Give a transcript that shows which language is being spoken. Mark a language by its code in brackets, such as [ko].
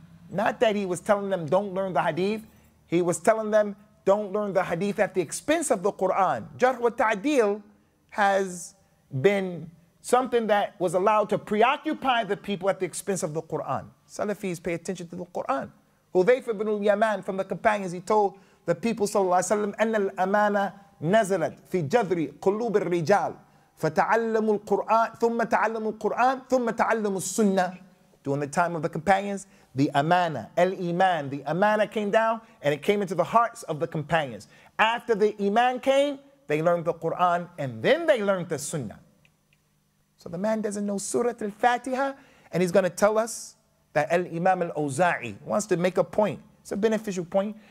[en] Not that he was telling them don't learn the Hadith. He was telling them don't learn the Hadith at the expense of the Quran. Jarh wa ta'deel has been something that was allowed to preoccupy the people at the expense of the Quran. Salafis pay attention to the Quran. Hudhayf ibn al-Yaman from the companions, he told the people, [ar] sallallahu alayhi wa sallam, أَنَّ الْأَمَانَ نَزَلَتْ فِي جَذْرِ قُلُوبِ الرِّجَالِ فَتَعَلَّمُوا الْقُرْآنَ ثُمَّ تَعَلَّمُوا الْقُرْآنَ ثُمَّ تَعَلَّمُوا السُنَّةِ. [en] During the time of the companions, the amana, al-iman, the amana came down and it came into the hearts of the companions. After the iman came, they learned the Quran and then they learned the Sunnah. So the man doesn't know Surah Al-Fatiha and he's going to tell us that Al-Imam Al-Awza'i wants to make a point. It's a beneficial point.